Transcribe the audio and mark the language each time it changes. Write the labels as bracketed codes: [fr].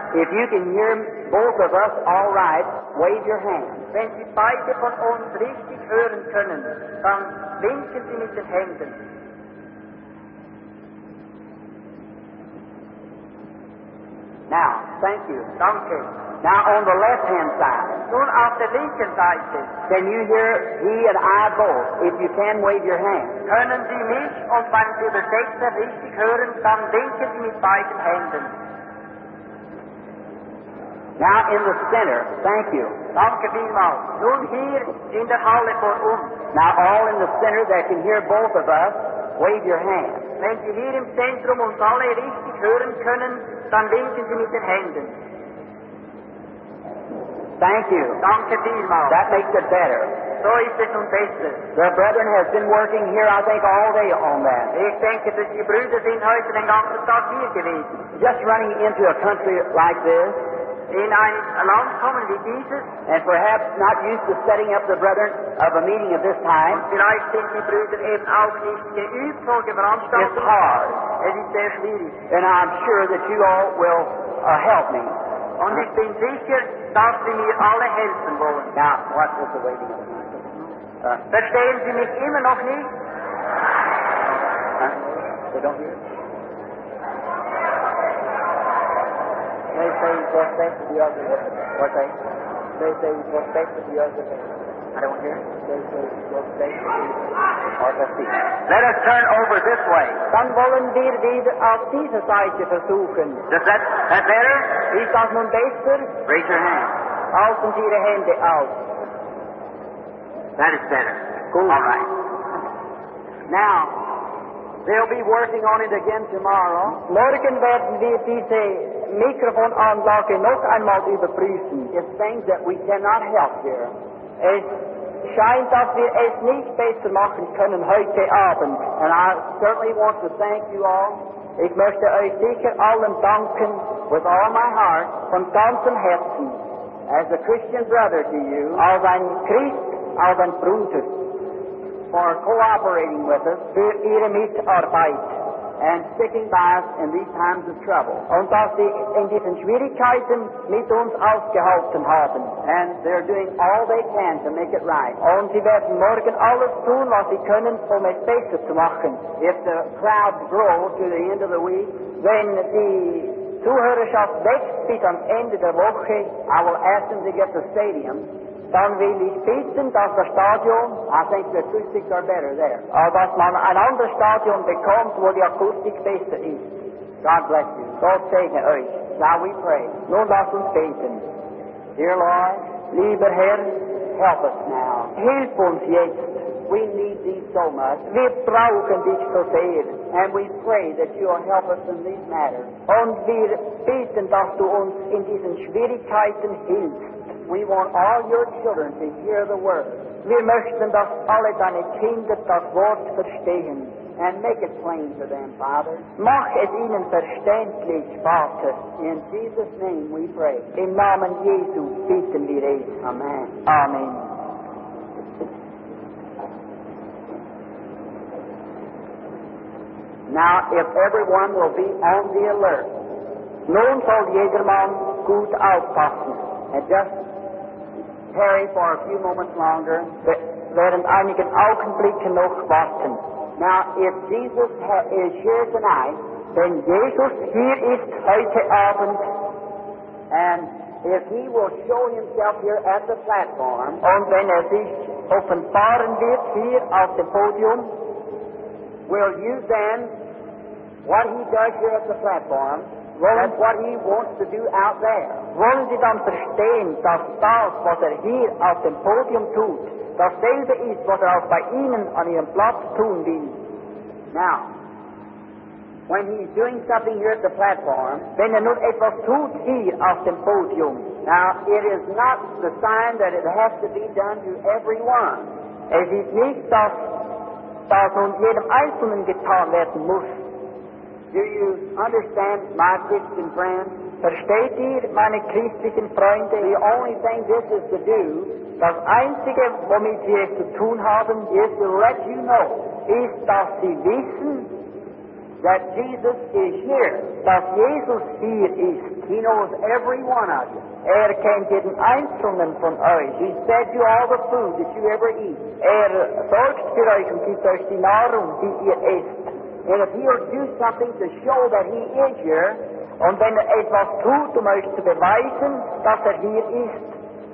[en] if you can hear both of us all right, wave your hand. [de] Wenn Sie beide von uns richtig hören können, dann winken Sie mit den Händen. [en] Now, thank you. [de] Danke. [en] Now, on the left-hand side. [de] Nun auf der linken Seite. [en] Can you hear he and I both? If you can, wave your hand. [de] Können Sie mich und wenn Sie das Sechste richtig hören, dann winken Sie mit beiden Händen. [en] Now, in the center. Thank you. [de] Danke vielmals. Nun hier in der Halle vor uns. [en] Now all in the center that can hear both of us, wave your hands. [de] Wenn Sie hier im Zentrum uns alle richtig hören können, dann winken Sie mit den Händen. [en] Thank you. [de] Danke vielmals. [en] That makes it better. [de] So ist es nun besser. [en] The brethren have been working here, I think, all day on that. [de] Ich denke, dass die Brüder sind heute den ganzen Tag hier gewesen. [en] Just running into a country like this. [de] In ein Land kommen wie dieses. [en] And perhaps not used to setting up the brethren of a meeting of this time. [de] Und vielleicht sind die Brüder eben auch nicht geübt vor der Veranstaltung. [en] It's hard. [de] Es ist sehr schwierig. [en] And I'm sure that you all will help me. [de] Und ich bin sicher, dass Sie mir alle helfen wollen. [en] Now, what was the waiting for? [de] Verstehen Sie mich immer noch nicht? [en] They don't hear? They say respect to the other. What say? They say respect to the other. I don't hear. They say respect to the other. Let us turn over this way. [de] Dann wollen wir wieder auf diese Seite versuchen. [en] Does that better? [de] Ist das nun besser? [en] Raise your hand. [de] Halten Sie Ihre Hände auf. [en] That is better. Cool. All right. Now, they'll be working on it again tomorrow. [de] Morgen werden wir diese Mikrofonanlage noch einmal überprüfen. [en] It's things that we cannot help here. [de] Es scheint, dass wir es nicht besser machen können heute Abend. [en] And I certainly want to thank you all. [de] Ich möchte euch sicher allen danken. [en] With all my heart. [de] Von ganzem Herzen. [en] As a Christian brother to you. [de] Als ein Christ. Bruder, [en] for cooperating with us, [de] für ihre Mitarbeit, [en] and sticking by us in these times of trouble. [de] Und dass sie in diesen Schwierigkeiten mit uns ausgehalten haben. [en] And they're doing all they can to make it right. [de] Und sie werden morgen alles tun, was sie können, um es besser zu machen. [en] If the crowd grows to the end of the week, [de] wenn die Zuhörerschaft wächst bis am Ende der Woche, [en] I will ask them to get the stadium. [de] Dann will ich bitten, dass das Stadion, [en] I think the acoustics are better there. [de] Dass man ein anderes Stadion bekommt, wo die Akustik besser ist. [en] God bless you. [de] Gott segne euch. [en] Now we pray. [de] Nun lass uns beten. [en] Dear Lord, [de] lieber Herr, [en] help us now. [de] Hilf uns jetzt. [en] We need thee so much. [de] Wir brauchen dich so sehr. [en] And we pray that you will help us in these matters. [de] Und wir bitten, dass du uns in diesen Schwierigkeiten hilfst. [en] We want all your children to hear the word. [de] Wir möchten, dass alle deine Kinder das Wort verstehen. [en] And make it plain to them, Father. [de] Mach es ihnen verständlich, Vater. [en] In Jesus' name we pray. [de] Im Namen Jesu bitten wir es. [en] Amen. [de] Amen. [en] Now, if everyone will be on the alert. [de] Nun soll jedermann gut aufpassen. [en] And just tarry for a few moments longer. [de] Während einigen Augenblicken noch warten. [en] Now, if Jesus is here tonight, [de] wenn Jesus hier ist heute Abend, [en] and if he will show himself here at the platform, [de] und wenn er sich offenbaren wird hier auf dem Podium, [en] will you then, what he does here at the platform, that's what he wants to do out there. [de] Wollen Sie dann verstehen, dass das, was hier auf dem Podium tut, dasselbe ist, was auch bei Ihnen an Ihrem Platz tun will? [en] Now, when he's doing something here at the platform, [de] wenn nur etwas tut hier auf dem Podium, [en] now, it is not the sign that it has to be done to everyone. [de] Es ist nicht, dass nun jedem Einzelnen getan werden muss. [en] Do you understand, my Christian friend? [de] Versteht ihr, meine christlichen Freunde? [en] The only thing this is to do, [de] das Einzige, womit wir es zu tun haben, [en] is to let you know, [de] ist, dass sie wissen, [en] that Jesus is here, [de] dass Jesus hier ist. [en] He knows every one of you. [de] Kennt jeden Einzelnen von euch. [en] He fed you all the food that you ever eat. [de] Sorgt für euch und gibt euch die Nahrung, die ihr esst. [en] And if he'll do something to show that he is here, [de] und wenn etwas tut, um euch zu beweisen, dass hier ist,